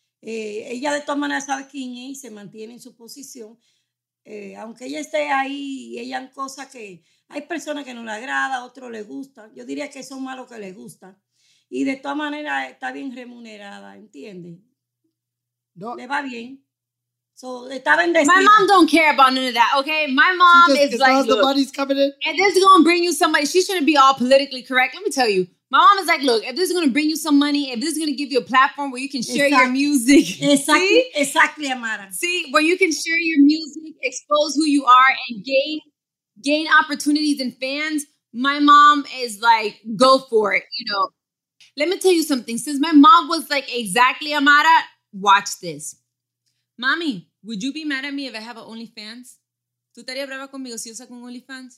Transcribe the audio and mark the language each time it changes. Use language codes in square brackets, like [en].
[es] Ella de todas maneras sabe quién es y se mantiene en su posición. Aunque ella esté ahí, ella en cosas que hay personas que no le agrada, otros le gusta. Yo diría que son malos que le gusta. Y de todas maneras está bien remunerada, ¿entiendes? No. Le va bien. So, está bendecida. [en] My mom don't care about none of that, okay? My mom is like, look, if this is going to bring you somebody, she shouldn't be all politically correct. Let me tell you. My mom is like, look, if this is going to bring you some money, if this is going to give you a platform where you can share your music. Exactly, Amara. See, where you can share your music, expose who you are, and gain opportunities and fans. My mom is like, go for it, you know. Let me tell you something. Since my mom was like, exactly, Amara, watch this. Mommy, would you be mad at me if I have an OnlyFans? [es] ¿Tú estarías brava conmigo si yo saco un OnlyFans?